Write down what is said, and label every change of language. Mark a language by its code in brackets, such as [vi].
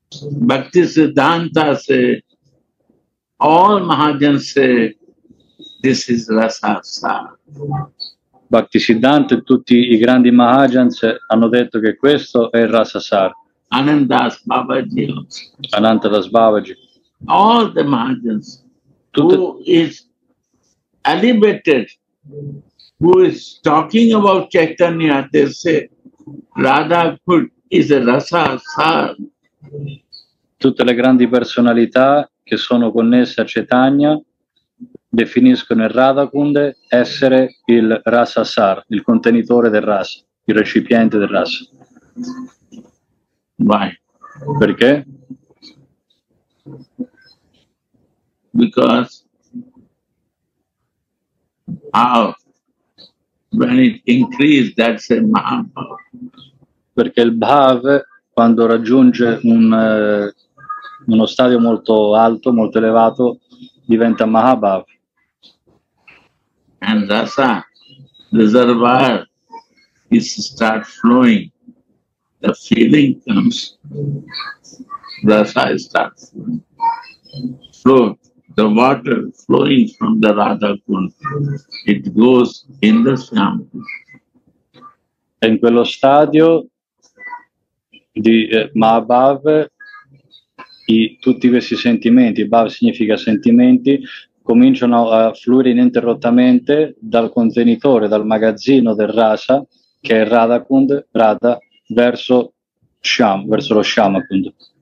[en] Bhaktisiddhanta say, all Mahajan say, this is rasa sar. [it] Bhaktisiddhanta e tutti i grandi Mahajans hanno detto che questo è il rasa sar. [en] Anandas Babaji. [it] Anandas Babaji. [en] All the Mahajans. Who is elevated, who is talking about Chaitanya, they say Radha Kund is a Rasa Sar. [it] Tutte le grandi personalità che sono connesse a Chaitanya definiscono il Radha Kund essere il Rasa Sar, il contenitore del Rasa, il recipiente del Rasa. [en] Why? [it] Perché? [en] Because how? When it increases, that's a Mahabhava. [it] Perché il Bhav, quando raggiunge uno stadio molto alto, molto elevato, diventa Mahabhav. [en] And Rasa, reservoir, it starts flowing. The feeling comes, Rasa starts flowing. So the water flowing from the Radha Kund, it goes in the Shyam. [it] In quello stadio di Mahabhav, tutti questi sentimenti, Bhav significa sentimenti, cominciano a fluire ininterrottamente dal contenitore, dal magazzino del Rasa, che è Radha Kund, Radha, verso Sham, verso lo Sham, appunto.